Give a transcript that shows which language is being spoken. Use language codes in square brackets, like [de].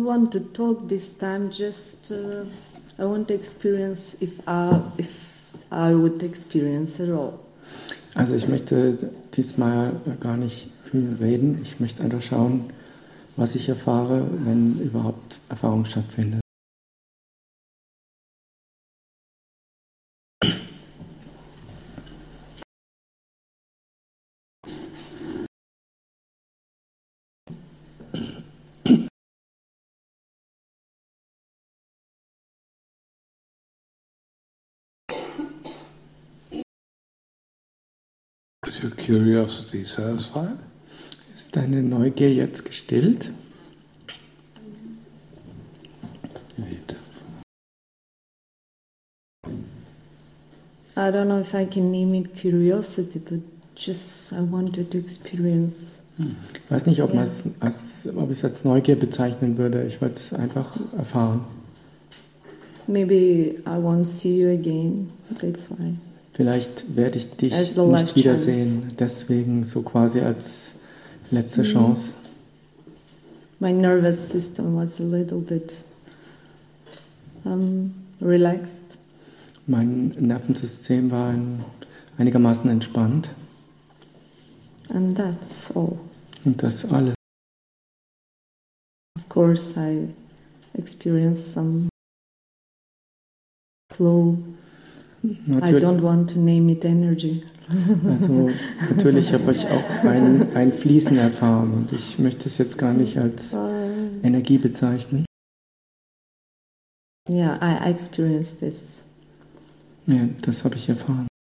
[en] To talk this time, just I want to experience if I would experience at all. [de] Also ich möchte diesmal gar nicht viel reden. Ich möchte einfach schauen, was ich erfahre, wenn überhaupt Erfahrung stattfindet. [en] Curiosity satisfied? [de] Ist deine Neugier jetzt gestillt? [en] I don't know if I can name it curiosity, but just I wanted to experience. [de] Ich weiß nicht, ob man es als, ob ich es als Neugier bezeichnen würde. Ich wollte es einfach erfahren. [en] Maybe I won't see you again. That's why. [de] Vielleicht werde ich dich nicht wiedersehen. Deswegen so quasi als letzte Chance. [en] My nervous system was a little bit relaxed. [de] Mein Nervensystem war einigermaßen entspannt. [en] And that's all. [de] Und das alles. [en] Of course I experienced some flow. [de] Natürlich. [en] I don't want to name it energy. [de] Also natürlich habe ich auch ein Fließen erfahren und ich möchte es jetzt gar nicht als Energie bezeichnen. [en] Yeah, I experienced this. [de] Ja, das habe ich erfahren.